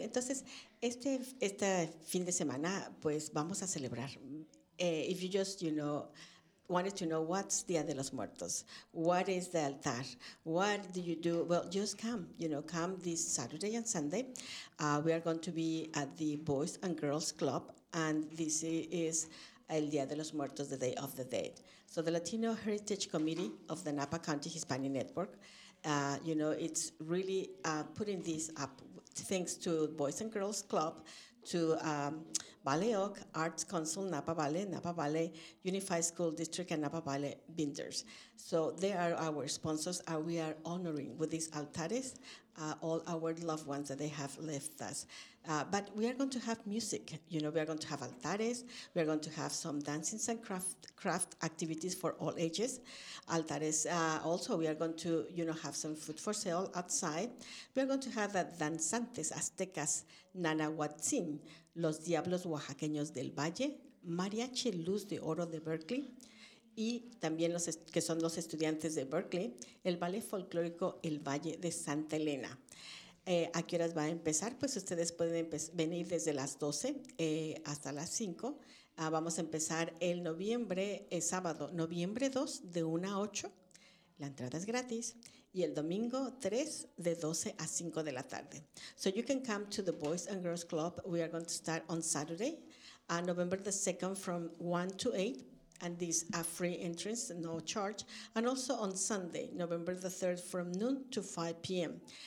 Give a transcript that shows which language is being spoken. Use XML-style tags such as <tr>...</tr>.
<es>Entonces, este fin de semana, pues, vamos a celebrar.</es> <en>If you just, you know, wanted to know what's Día de los Muertos, what is the altar, what do you do? Well, just come, you know, come this Saturday and Sunday. We are going to be at the Boys and Girls Club, and this is El Día de los Muertos, the Day of the Dead. So the Latino Heritage Committee of the Napa County Hispanic Network, you know, it's really putting this up, thanks to Boys and Girls Club, to Valley Oak Arts Council, Napa Valley Unified School District, and Napa Valley Binders. So they are our sponsors, and we are honoring with these altares all our loved ones that they have left us. But we are going to have music. You know, we are going to have altares. We are going to have some dancing and craft activities for all ages. Altares. Also, we are going to, you know, have some food for sale outside. We are going to have danzantes aztecas, nanahuatzin, los diablos oaxaqueños del valle, mariachi luz de oro de Berkeley,</en> <es>y también que son los estudiantes de Berkeley,</es> <en>el ballet folclórico El Valle de Santa Elena.</en> <es>¿A qué horas va a empezar? Pues ustedes pueden venir desde las 12 hasta las 5. Vamos a empezar el noviembre, sábado, noviembre 2, de 1 a 8. La entrada es gratis. Y el domingo 3, de 12 a 5 de la tarde.</es> <en>So you can come to the Boys and Girls Club. We are going to start on Saturday, November the 2nd, from 1 to 8. And this a free entrance, no charge. And also on Sunday, November the 3rd, from noon to 5 p.m.</en>